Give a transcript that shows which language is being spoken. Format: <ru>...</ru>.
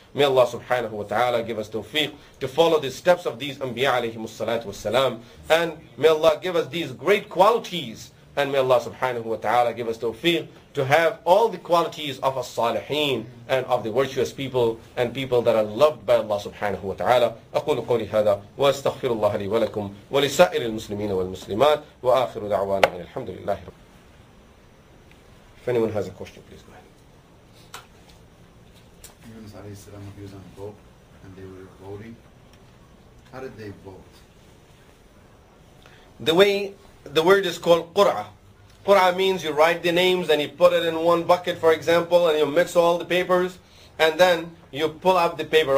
<en>May Allah subhanahu wa ta'ala give us tawfiq to follow the steps of these Anbiya alayhim as-salatu was-salam. And may Allah give us these great qualities And may Allah subhanahu wa ta'ala give us tawfiq to have all the qualities of as-saliheen and of the virtuous people and people that are loved by Allah subhanahu wa ta'ala.</en> <ar>أقول قولي هذا وأستغفر الله لي ولكم ولسائر المسلمين والمسلمات وآخر دعوانا أن الحمد لله رب.</ar> <en>If anyone has a question, please go ahead. Yunus alayhi salam, he was on a boat and they were voting. How did they vote? The way the word is called Qura. Qura means you write the names and you put it in one bucket, for example, and you mix all the papers and then you pull up the paper.</en>